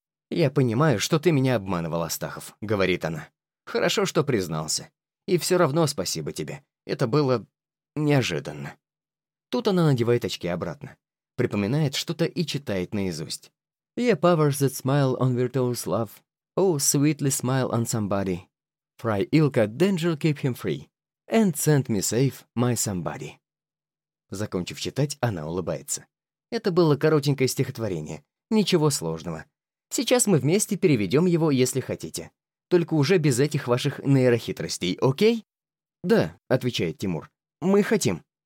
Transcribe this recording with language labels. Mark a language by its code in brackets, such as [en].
[ru] «Я понимаю, что ты меня обманывал, Астахов», — говорит она. «Хорошо, что признался. И все равно спасибо тебе. Это было неожиданно». Тут она надевает очки обратно. Припоминает что-то и читает наизусть. [en] «Yeah, powers that smile on virtuous love. Oh, sweetly smile on somebody. Fry Ilka, danger keep him free. And send me safe, my somebody». [ru] Закончив читать, она улыбается. Это было коротенькое стихотворение. Ничего сложного. Сейчас мы вместе переведем его, если хотите. Только уже без этих ваших нейрохитростей, окей? «Да», — отвечает Тимур. «Мы хотим».